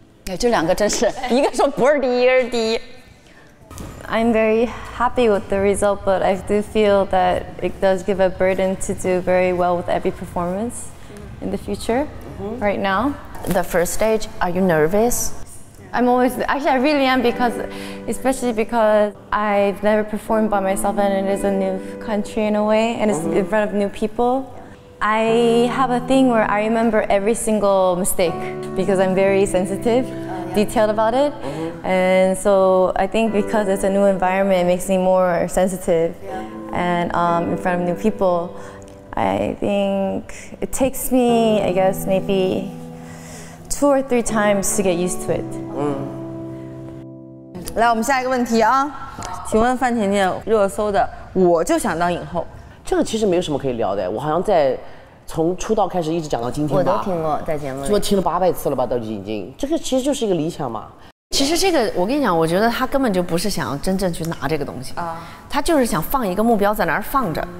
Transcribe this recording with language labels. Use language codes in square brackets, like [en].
[zh] 哎，这两个真是一个说不是第一，一个是第一。 [en] I'm very happy with the result, but I do feel that it does give a burden to do very well with every performance in the future. Right now, the first stage, are you nervous? I'm always, actually, I really am because, especially because I've never performed by myself and it is a new country in a way, and it's in front of new people. I have a thing where I remember every single mistake because I'm very sensitive. Detailed about it, and so I think because it's a new environment, it makes me more sensitive, and in front of new people, I think it takes me, I guess, maybe 2 or 3 times to get used to it. [zh] 来，我们下一个问题啊，请问范甜甜热搜的《我就想当影后》，这个其实没有什么可以聊的，我好像在。从出道开始一直讲到今天吧，我都听过，在节目里说听了800次了吧，都已经，这个其实就是一个理想嘛。其实这个我跟你讲，我觉得他根本就不是想真正去拿这个东西啊，他就是想放一个目标在那儿放着。